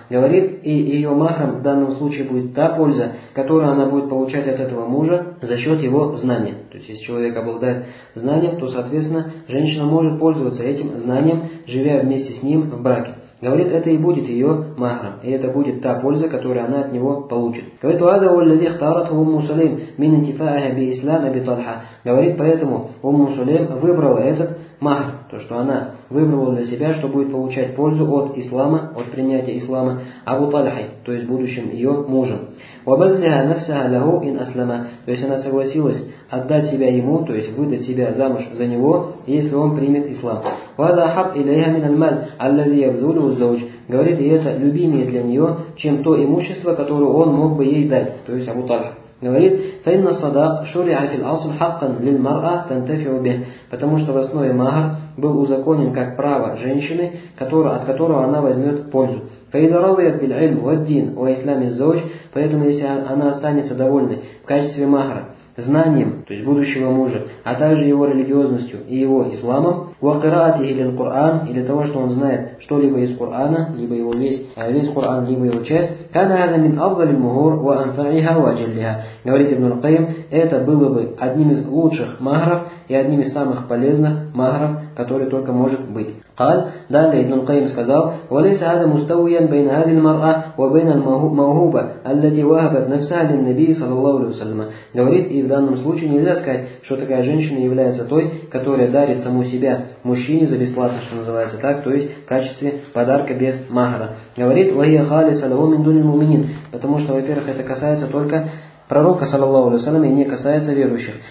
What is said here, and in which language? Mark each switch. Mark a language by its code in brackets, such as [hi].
[ru] Говорит, и ее махром в данном случае будет та польза, которую она будет получать от этого мужа за счет его знания. То есть, если человек обладает знанием, то, соответственно, женщина может пользоваться этим знанием, живя вместе с ним в браке. Говорит, это и будет ее махром, и это будет та польза, которую она от него получит. Говорит, [ar] وَهَذَا وَالَّذِي اخْتَارَتْهُ أُمُّ سُلَيْمَ مِنْ انْتِفَاعِهَا بِالْإِسْلَامِ بِطَلْحَةَ. [ru] Говорит, поэтому умму Сулейм выбрала этот махр, то, что она выбрала для себя, что будет получать пользу от ислама, от принятия ислама, Абу Тальхи, то есть будущим ее мужем. [ar] وَبَذْلِهَا نَفْسَهَا لَهُ إِنْ أَسْلَمَ. [ru] То есть она согласилась отдать себя ему, то есть выдать себя замуж за него, если он примет ислам. [ar] وَهَذَا أَحَبُّ إِلَيْهَا مِنَ الْمَالِ الَّذِي يَبْذُلُهُ الزَّوْجُ. [ru] Говорит, и это любимее для нее, чем то имущество, которое он мог бы ей дать, то есть Абу Тальха. Говорит, [ar] فإن الصداق شرع في الأصل حقا للمرأة تنتفع به. [ru] Потому что в основе махр был узаконен как право женщины, от которого она возьмет пользу. [ar] فإذا رضيت بالعلم والدين وإسلام الزوج. [ru] Поэтому если она останется довольной в качестве махра знанием, то есть будущего мужа, а также его религиозностью и его исламом, [ar] وقراءته للقرآن, [ru] или того, что он знает что-либо из Корана, либо его весь Коран, либо его часть, [ar] كان هذا من أفضل المهور وأنفعها وأجلها. [ru] Говорит ибн Аль-Кайм, это было бы одним из лучших махров и одним из самых полезных махров, который только может быть. [ar] قال دال ابن القيم [ru] сказал [ar] وليس هذا مستويا بين هذه المرأة وبين الموهوبة التي وهبت نفسها للنبي صلى الله عليه وسلم. [ru] Говорит, и в данном случае нельзя сказать, что такая женщина является той, которая дарит саму себя мужчине за бесплатно, что называется так, то есть в качестве подарка без махра. Говорит, [ar] وهي خالصة له من دون المؤمنين, [ru] потому что, во-первых, это касается только пророка, саллаллаху алейхи ва саллям, и не касается верующих.